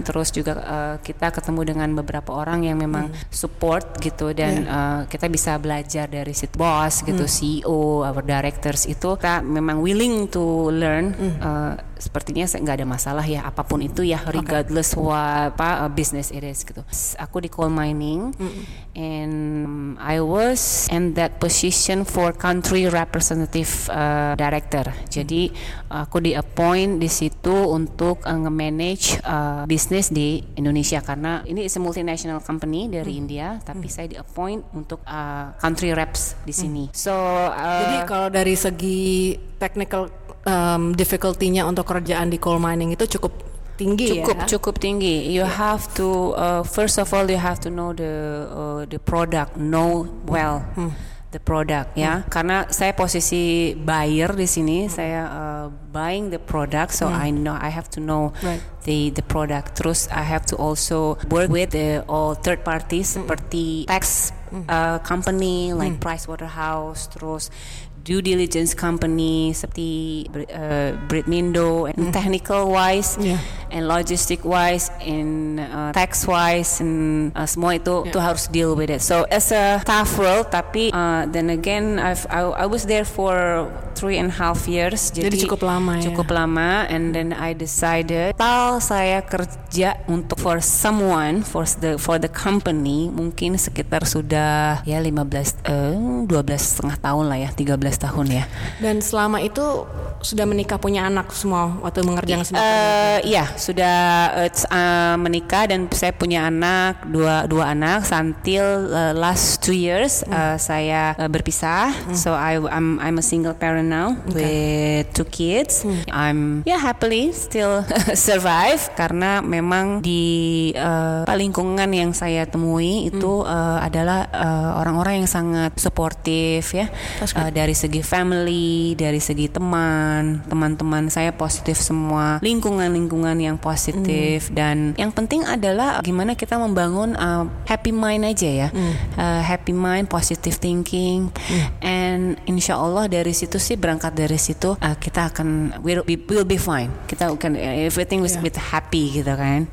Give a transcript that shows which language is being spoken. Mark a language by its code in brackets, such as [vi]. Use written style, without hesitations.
[id] Terus juga kita ketemu dengan beberapa orang yang memang support gitu, dan kita bisa belajar dari si boss gitu, CEO, our directors, itu kita memang [en] willing to learn. [id] Sepertinya saya nggak ada masalah ya apapun itu ya, [en] regardless what [id] apa business it is gitu. Aku di coal mining, mm-hmm. [en] and I was in that position for country representative director. [id] Jadi aku di appoint di situ untuk nge-manage business di Indonesia, karena ini [en] is a multinational company [id] dari India, tapi saya di appoint untuk country reps di sini. So jadi kalau dari segi technical difficulty-nya untuk kerjaan di coal mining itu cukup tinggi, cukup ya? Cukup tinggi. You yeah. [en] have to first of all you have to know the product, know well the product ya. Yeah? [id] Karena saya posisi buyer di sini, saya [en] buying the product, so I know I have to know the product. Terus I have to also work with the all third party seperti tax company like Pricewaterhouse, terus due diligence company seperti Brit Mindo, and technical wise and logistic wise and tax wise and semua itu itu harus deal with it. So it's a tough role, tapi then again I was there for 3.5 years. [id] Jadi cukup lama ya. Cukup lama, [en] and then I decided [id] total saya kerja untuk [en] for someone for the company [id] mungkin sekitar sudah ya 12 setengah tahun lah ya 13 tahun ya. Dan selama itu sudah menikah, punya anak semua waktu mengerjakan semua? Iya, sudah menikah dan saya punya anak, dua anak. [en] Until last 2 years [id] saya berpisah. [en] So I'm a single parent now with 2 kids. I'm happily still survive, [id] karena memang di lingkungan yang saya temui itu adalah orang-orang yang sangat supportive ya. Dari segi family, dari segi teman-teman saya positif semua, lingkungan-lingkungan yang positif, dan yang penting adalah gimana kita membangun happy mind aja ya, [en] happy mind, positive thinking, [id] and insya Allah dari situ sih, berangkat dari situ kita akan [en] we'll be fine, [id] kita akan [en] everything will be happy [id] gitu kan.